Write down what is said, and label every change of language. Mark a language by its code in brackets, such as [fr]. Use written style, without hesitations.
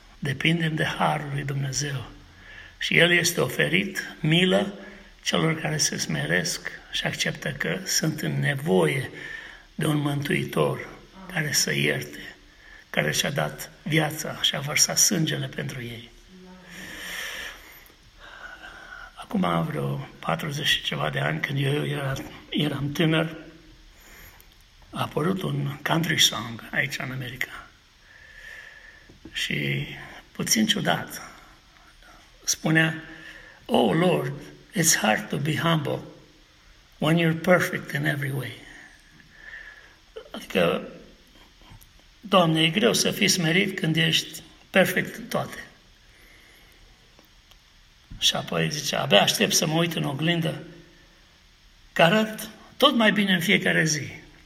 [ro] Depindem de harul lui Dumnezeu. Și El este oferit milă celor care se smeresc și acceptă că sunt în nevoie de un mântuitor care să ierte, care și-a dat viața și-a vărsat sângele pentru ei. Acum vreo 40 și ceva de ani, când eu eram tânăr, a apărut un country song aici în America. Și puțin ciudat, spunea, [en] Oh Lord, it's hard to be humble when you're perfect in every way. [ro] Adică, Doamne, e greu să fii smerit când ești perfect în toate. Și apoi zice, abia aștept să mă uit în oglindă, că arăt tot mai bine în fiecare zi.